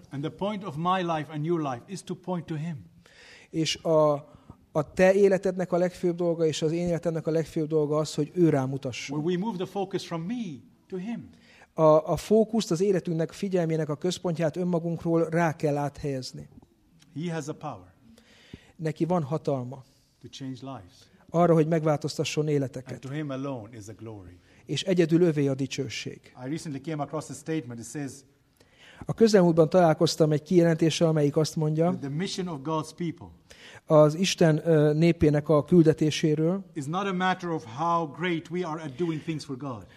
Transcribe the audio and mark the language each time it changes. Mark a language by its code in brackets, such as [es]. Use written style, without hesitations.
[en] And the point of my life and your life is to point to him. [hu] És a te életednek a legfőbb dolga és az én életemnek a legfőbb dolga az, hogy ő rámutasson. [en] Where we move the focus from me to him. [hu] A fókuszt, az életünknek figyelmének a központját önmagunkról rá kell áthelyezni. [en] He has a power. [hu] Neki van hatalma. [en] To change lives. [hu] Arra, hogy megváltoztasson életeket. [en] And to him alone is a glory. [hu] És egyedül övé a dicsőség. [en] I recently came across a statement that says, [hu] a közelmúltban találkoztam egy kijelentéssel, amelyik azt mondja, [en] the mission of God's people, [hu] az Isten népének a küldetéséről. [en] Is not a matter of how great we are at doing things for God.